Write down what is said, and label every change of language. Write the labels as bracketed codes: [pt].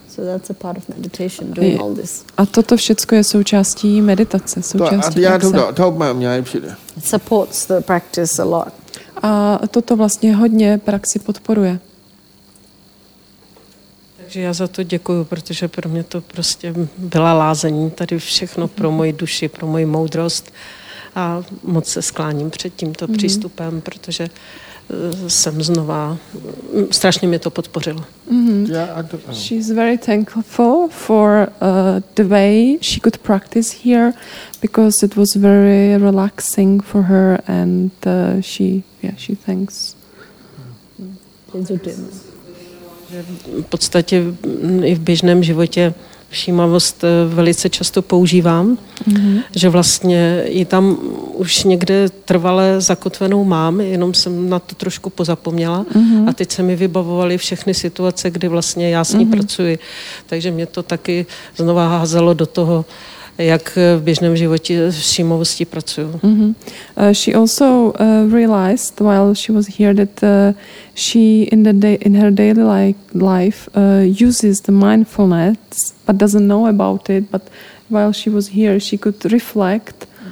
[en] So that's a part of meditation, doing all this. [cs] A toto všecko je součástí meditace, součástí praxe. [en] Supports the practice a lot. [cs] A toto vlastně hodně praxi podporuje. Takže já za to děkuju, protože pro mě to prostě byla lázení. Tady všechno pro moji duši, pro moji moudrost. A moc se skláním před tímto přístupem, protože jsem znova... Strašně mě to podpořilo. [en] She's very thankful for the way she could practice here, because it was very relaxing for her, and she thanks. [cs] V podstatě i v běžném životě všímavost velice často používám, že vlastně ji tam už někde trvale zakotvenou mám, jenom jsem na to trošku pozapomněla a teď se mi vybavovaly všechny situace, kdy vlastně já s ní pracuji. Takže mě to taky znova házelo do toho, jak v běžném životě všímavostí pracuju. [en] She also realized while she was here that she in her daily life uses the mindfulness, but doesn't know about it. But while she was here, she could reflect